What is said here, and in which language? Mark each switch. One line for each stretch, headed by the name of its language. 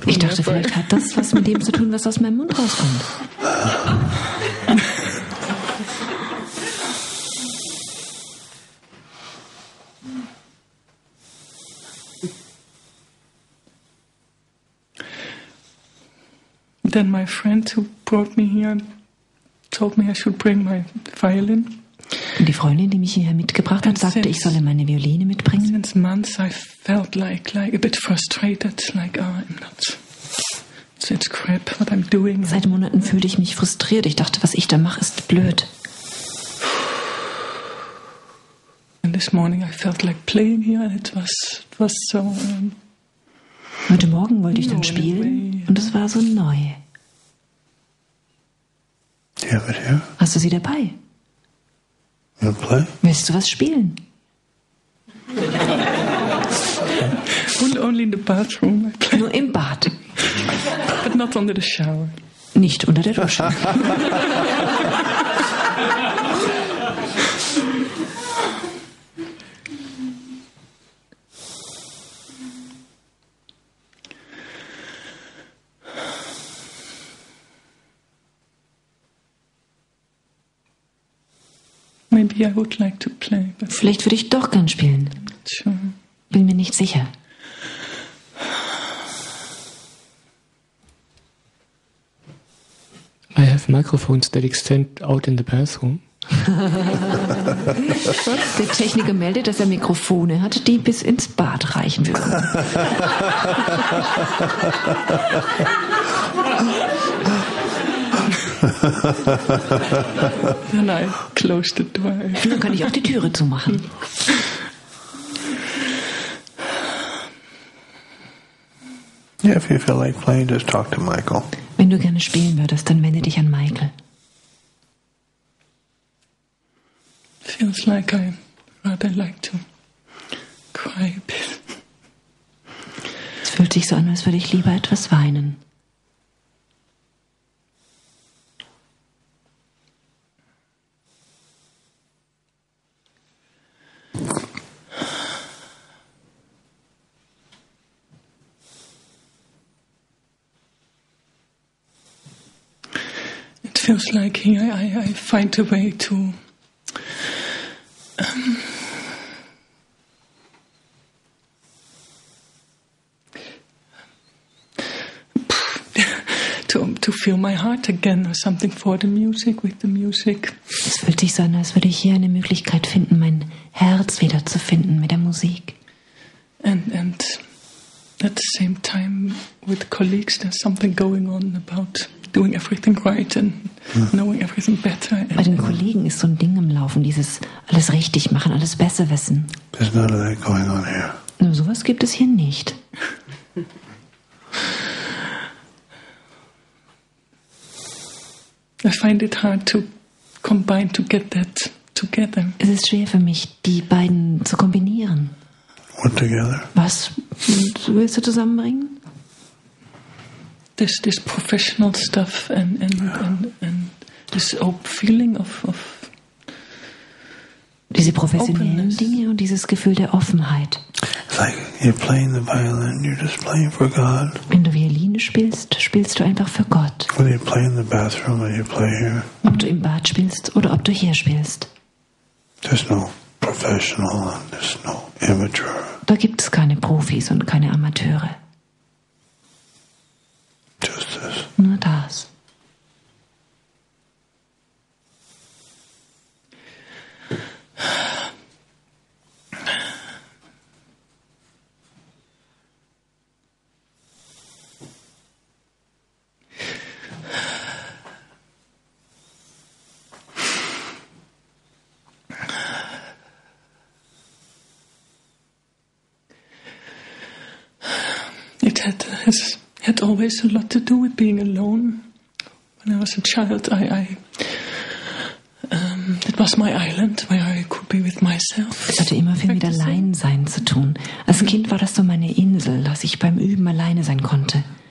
German: Ich dachte, vielleicht hat das was mit dem zu tun, was aus meinem Mund rauskommt.
English: Then my friend who brought me here told me I should bring my violin.
German: Und die Freundin, die mich hierher mitgebracht hat, sagte, ich solle meine Violine mitbringen.
English: Since months I felt like a bit frustrated, like I'm not such crap what I'm doing.
German: Seit Monaten fühlte ich mich frustriert. Ich dachte, was ich da mache, ist blöd.
English: And this morning I felt like playing here and it was so.
German: Heute Morgen wollte ich dann spielen und es war so neu.
English: Do you have it here?
German: Hast du sie dabei?
English: You'll play?
German: Willst du was spielen?
English: And only in the bathroom I play.
German: Nur im Bad.
English: But not under the shower.
German: Nicht unter der Dusche.
English: Maybe I would like to play, but
German: vielleicht würde ich doch gern spielen.
English: Sure.
German: Bin mir nicht sicher.
English: I have microphones that extend out in the bathroom.
German: Der Techniker meldet, dass er Mikrofone hat, die bis ins Bad reichen würden. Nein,
English: close the door.
German: Dann kann ich auch die Türe zumachen.
English: Yeah, if you feel like playing, just talk to Michael.
German: Wenn du gerne spielen würdest, dann wende dich an Michael.
English: Feels like I rather like to cry a bit.
German: Es fühlt sich so an, als würde ich lieber etwas weinen.
English: Feels like I find a way to to feel my heart again or something for the music with the music.
German: Es fühlt sich so an, als würde ich hier eine Möglichkeit finden, mein Herz wieder zu finden mit der Musik.
English: And at the same time with colleagues, there's something going on about doing everything right and knowing everything better.
German: Bei den Kollegen ist so ein Ding im Laufen, dieses alles richtig machen, alles besser wissen.
English: There's none of that going on here.
German: Nur sowas gibt es hier nicht.
English: I find it hard to combine to get that together.
German: Es ist schwer für mich, die beiden zu kombinieren.
English: What together?
German: Was willst du zusammenbringen?
English: This professional stuff and this open feeling of
German: diese professionellen openness. Dinge und dieses Gefühl der Offenheit.
English: It's like you're playing the violin, you're just playing for God.
German: Wenn du Violine spielst, spielst du einfach für Gott.
English: Whether you play in the bathroom or you play here.
German: Ob du im Bad spielst oder ob du hier spielst.
English: There's no professional and there's no amateur.
German: Da gibt es keine Profis und keine Amateure.
English: Just this.
German: Nur das.
English: It had always a lot to do with being alone. When I was a child, it was my island where I could be with myself.
German: Es hatte immer viel mit Alleinsein zu tun. Als Kind war das so meine Insel, dass ich beim Üben alleine sein konnte.